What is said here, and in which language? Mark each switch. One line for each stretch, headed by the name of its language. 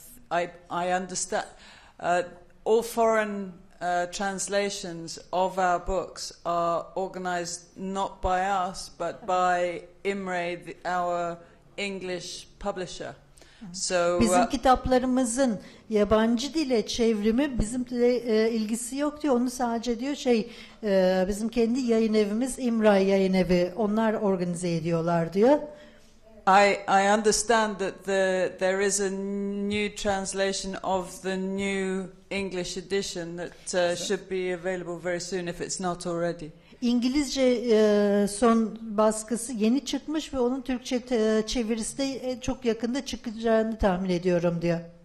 English: I understand all foreign translations of our books are organized not by us but by Imre, our English publisher. So
Turkish: bizim kitaplarımızın yabancı dile çevrimi bizim de ilgisi yok diyor. Onu sadece diyor şey bizim kendi yayın evimiz İmra Yayın Evi, onlar organize ediyorlar diyor.
English: I understand that there is a new translation of the new English edition that should be available very soon if it's not already.
Turkish: İngilizce son baskısı yeni çıkmış ve onun Türkçe çevirisi de çok yakında çıkacağını tahmin ediyorum diyor.